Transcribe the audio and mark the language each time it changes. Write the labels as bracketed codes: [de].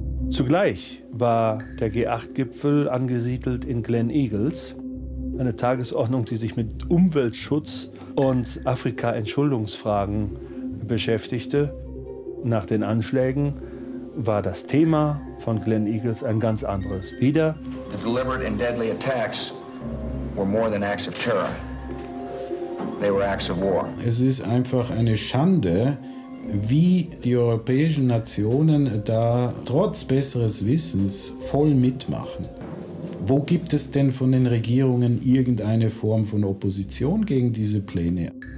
[de] Zugleich war der G8-Gipfel angesiedelt in Glen Eagles, eine Tagesordnung, die sich mit Umweltschutz und Afrika-Entschuldungsfragen beschäftigte. Nach den Anschlägen war das Thema von Glen Eagles ein ganz anderes. Wieder. [en] The deliberate and deadly attacks were more than acts of terror. They were acts of war. [de] Es ist einfach eine Schande, wie die europäischen Nationen da trotz besseres Wissens voll mitmachen. Wo gibt es denn von den Regierungen irgendeine Form von Opposition gegen diese Pläne?